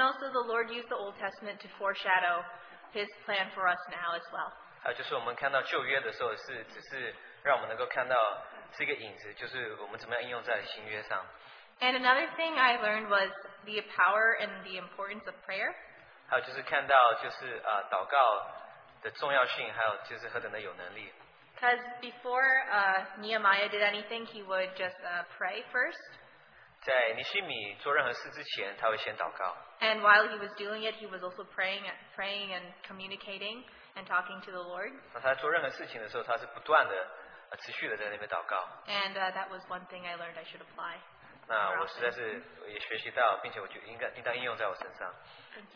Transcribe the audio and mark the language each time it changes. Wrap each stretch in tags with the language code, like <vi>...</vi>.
<en>also the Lord used the Old Testament to foreshadow His plan for us now as well.</en> <zh>还有就是我们看到旧约的时候是只是让我们能够看到这个影子，就是我们怎么样应用在新约上。</zh> <en>And another thing I learned was the power and the importance of prayer.</en> <zh>还有就是看到就是祷告的重要性，还有就是何等的有能力。</zh> <en>Because before Nehemiah did anything, he would just pray first.</en> <zh>在尼希米做任何事之前，他会先祷告。</zh> <en>And while he was doing it, he was also praying and communicating and talking to the Lord.</en> <zh>他在做任何事情的时候，他是不断的、持续的在那边祷告。</zh> <en>And that was one thing I learned I should apply.</en> <zh>那我实在是也学习到，并且我觉得应当应用在我身上。</zh> <en>Thank</en>